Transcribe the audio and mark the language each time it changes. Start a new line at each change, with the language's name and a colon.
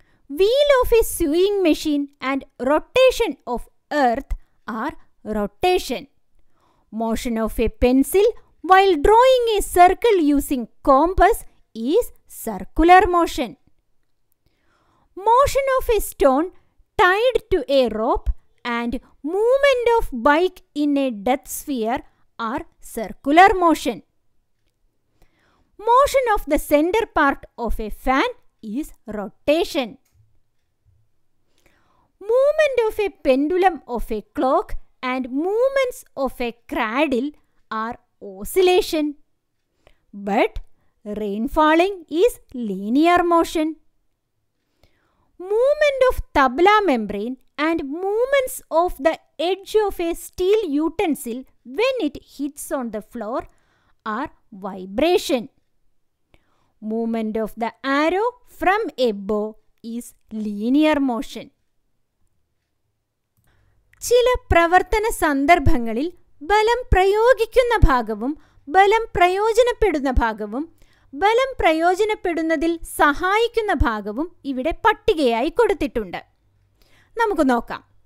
English: Wheel of a sewing machine and rotation of earth are rotation. Motion of a pencil while drawing a circle using compass is circular motion. Motion of a stone tied to a rope and movement of bike in a death sphere are circular motion. Motion of the center part of a fan is rotation. Movement of a pendulum of a clock and movements of a cradle are oscillation. But rain falling is linear motion. Movement of tabla membrane and movements of the edge of a steel utensil when it hits on the floor are vibration. Movement of the arrow from a bow is linear motion.
Malayalam: ചില പ്രവർത്തന സന്ദർഭങ്ങളിൽ ബലം പ്രയോഗിക്കുന്ന ഭാഗവും ബലം പ്രയോജനപ്പെടുന്ന ഭാഗവും ബലം പ്രയോജനപ്പെടുന്നതിൽ സഹായിക്കുന്ന ഭാഗവും ഇവിടെ പട്ടികയായി കൊടുത്തിട്ടുണ്ട്. നമുക്ക് നോക്കാം.